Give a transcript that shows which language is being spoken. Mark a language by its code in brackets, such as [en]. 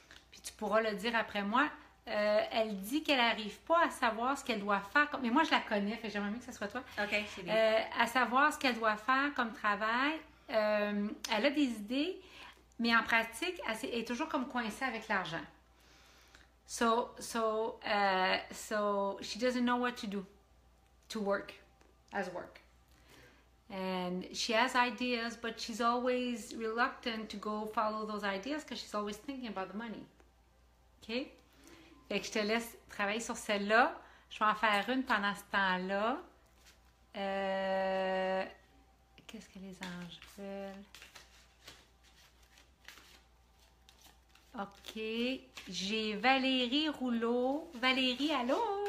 [fr] Puis tu pourras le dire après moi. Elle dit qu'elle n'arrive pas à savoir ce qu'elle doit faire. Mais moi, je la connais, fait j'aimerais mieux que ce soit toi. OK, c'est bien. À savoir ce qu'elle doit faire comme travail. Elle a des idées, mais en pratique, elle est toujours comme coincée avec l'argent. [en] So she doesn't know what to do to work as work. And she has ideas, but she's always reluctant to go follow those ideas because she's always thinking about the money. Okay? [fr] Fait que je te laisse travailler sur celle-là. Je vais en faire une pendant ce temps-là. Qu'est-ce que les anges veulent? OK. J'ai Valérie Rouleau. Valérie, allô?